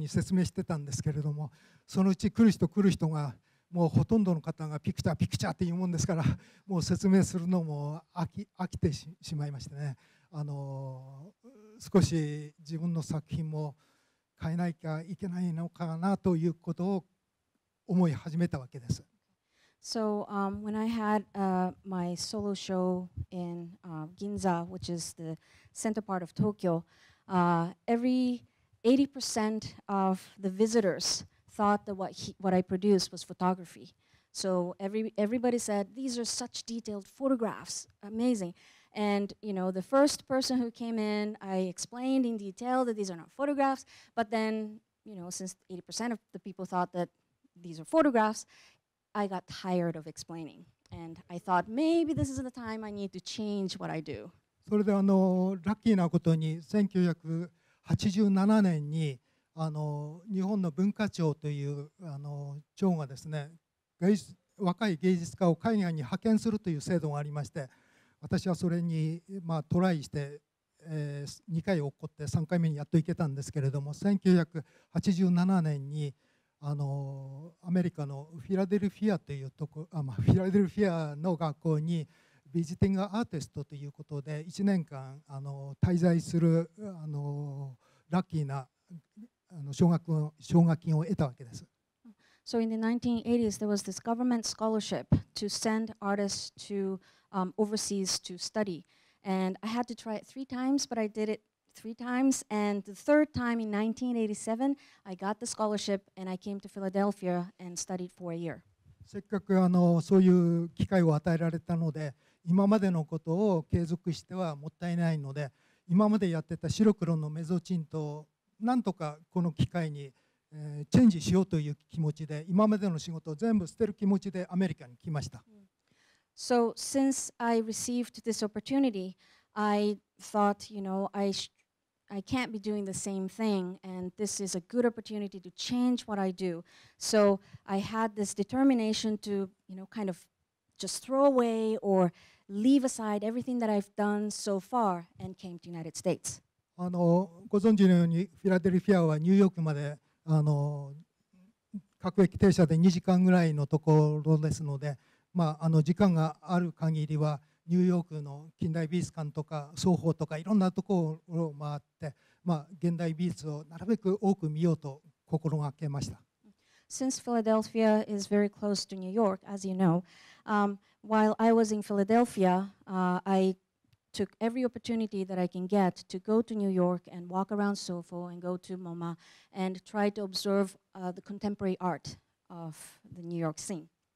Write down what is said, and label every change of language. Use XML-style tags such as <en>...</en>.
<ja>それで例えば私個展をですね、まあ東京銀座っていうところが画廊がいっぱいありまして、そこで私の白黒のメゾチントの展覧会を、まあ、初めてやったんですけども、来る人来る人がですね、まあ8割以上の人が皆さん写真だというふうに撮るわけです。非常にリアルな写真ですねとかね。で最初の方には丁寧に説明してたんですけれども、そのうち来る人来る人が もうほとんどの方がピクチャーピクチャーって言うもんですから、もう説明するのも飽きてしまいましてね、少し自分の作品も変えないといけないのかなということを思い始めたわけです。So</ja> <en>when I had my solo show in Ginza, which is the center part of Tokyo, every 80% of the visitors thought that what I produced was photography. So everybody said, these are such detailed photographs, amazing. And you know, the first person who came in, I explained in detail that these are not photographs, but then, you know, since 80% of the people thought that these are photographs, I got tired of explaining. And I thought, maybe this is the time I need to change what I do.</en> <ja>それであのラッキーなことに1987年にあの日本の文化庁というあの庁がですね若い芸術家を海外に派遣するという制度がありまして私はそれにまあトライして2回起こって3回目にやっと行けたんですけれども1987年にあのアメリカのフィラデルフィアというとこあまあフィラデルフィアの学校にビジティングアーティストということで1年間あの滞在するあのラッキーなあの奨学金を得たわけです。</ja> <en>So in the 1980s, there was this government scholarship to send artists to overseas to study. And I had to try it 3 times, but I did it 3 times. And the third time in 1987, I got the scholarship and I came to Philadelphia and studied for a year.</en> <ja>せっかくあのそういう機会を与えられたので今までのことを継続してはもったいないので今までやってた白黒のメゾチントをなんとかこの機会にチェンジしようという気持ちで今までの仕事を全部捨てる気持ちでアメリカに来ました。</ja> <en>So since I received this opportunity, I thought, you know, I can't be doing the same thing and this is a good opportunity to change what I do. So I had this determination to, you know, kind of just throw away or leave aside everything that I've done so far and came to the United States.</en> <ja>あのご存知のようにフィラデルフィアはニューヨークまであの各駅停車で2時間ぐらいのところですので、まあ、あの時間がある限りはニューヨークの近代美術館とか双方とかいろんなところを回って、まあ、現代美術をなるべく多く見ようと心がけました。</ja> <en>Since Philadelphia is very close to New York, as you know, while I was in Philadelphia, I took every opportunity that I can get to go to New York and walk around SoFo and go to MoMA and try to observe the contemporary art of the New York scene.</en>